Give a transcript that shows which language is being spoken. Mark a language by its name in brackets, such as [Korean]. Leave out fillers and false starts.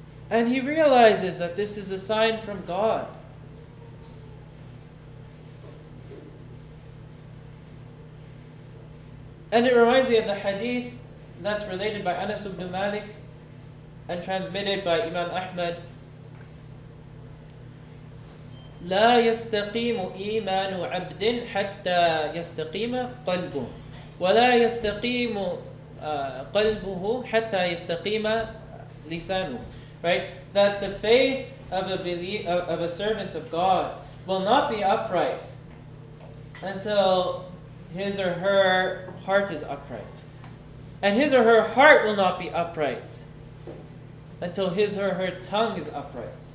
[English] And he realizes that this is a sign from God. And it reminds me of the hadith that's related by Anas ibn Malik and transmitted by Imam Ahmad. [Arabic] لا يستقيم إيمان عبد حتى يستقيم قلبه ولا يستقيم قلبه حتى يستقيم لسانه. [English] Right? That the faith of a servant of God will not be upright until his or her heart is upright. And his or her heart will not be upright until his or her tongue is upright.